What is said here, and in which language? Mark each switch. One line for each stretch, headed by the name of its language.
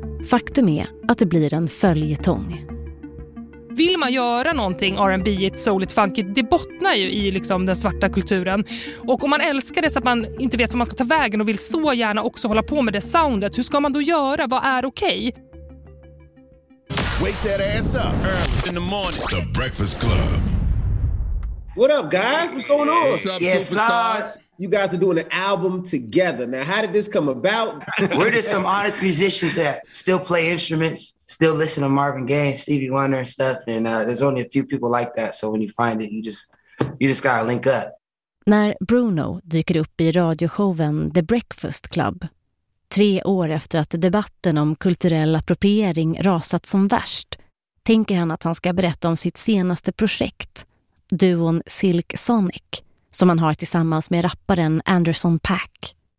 Swedish: Faktum är att det blir en följetong. Vill man göra någonting R&B-igt, souligt, funkigt, det bottnar ju i liksom den svarta kulturen. Och om man älskar det så att man inte vet var man ska ta vägen och vill så gärna också hålla på med det soundet, hur ska man då göra? Vad är okej?
English: Wake that ass up early in the morning. The Breakfast Club. What up, guys? What's going on? What's up, yes, superstars? You guys are doing an album together. Now, how did this come about? We're just some honest musicians that still play instruments, still listen to Marvin Gaye, Stevie Wonder and stuff. And there's only a few people like that. So when you find it, you just gotta link up.
Swedish: När Bruno dyker upp i radioshowen The Breakfast Club, 3 år efter att debatten om kulturell appropriering rasat som värst, tänker han att han ska berätta om sitt senaste projekt, duon Silk Sonic, som man har tillsammans med rapparen Anderson .Paak.